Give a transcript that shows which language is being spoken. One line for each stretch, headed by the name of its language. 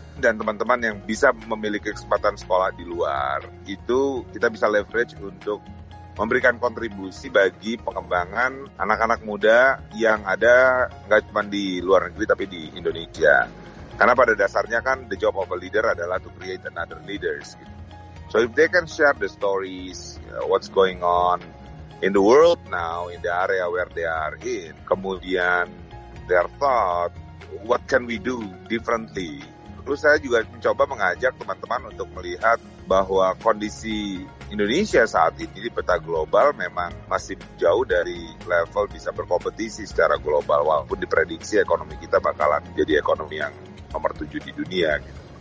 Indonesian: Dan teman-teman yang bisa memiliki kesempatan sekolah di luar, itu kita bisa leverage untuk memberikan kontribusi bagi pengembangan anak-anak muda yang ada nggak cuma di luar negeri tapi di Indonesia. Karena pada dasarnya kan
English: the job of a leader
Indonesian: adalah
English: to create another leaders. So if they can share the stories, what's going on in the world now, in the area where they are in,
Indonesian: kemudian
English: their thought, what can we do differently?
Indonesian: Terus saya juga mencoba mengajak teman-teman untuk melihat bahwa kondisi Indonesia saat ini di peta global memang masih jauh dari level bisa berkompetisi secara global, walaupun diprediksi ekonomi kita bakalan jadi ekonomi yang nomor 7 di dunia. Gitu.